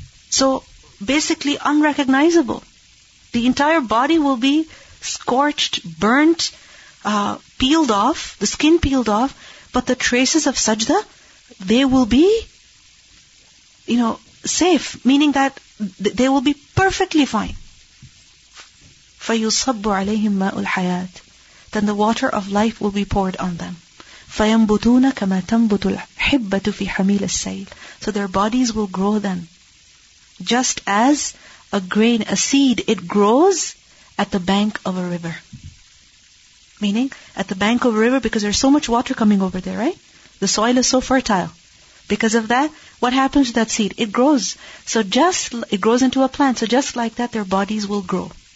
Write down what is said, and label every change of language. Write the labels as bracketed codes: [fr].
[en] So basically unrecognizable. The entire body will be scorched, burnt, peeled off, the skin peeled off, but the traces of sajda, they will be, you know, safe, meaning that they will be perfectly fine. [ar] فَيُصَبُّ عَلَيْهِمْ مَاءُ الْحَيَاةِ [en] Then the water of life will be poured on them. [ar] فَيَنْبُتُونَ كَمَا تَنْبُتُ الْحِبَّةُ فِي حَمِيلَ السَّيْلِ [en] So their bodies will grow then. Just as a grain, a seed, it grows at the bank of a river. Meaning, at the bank of a river, because there's so much water coming over there, right? The soil is so fertile. Because of that, what happens to that seed? It grows. So just, it grows into a plant. So just like that, their bodies will grow.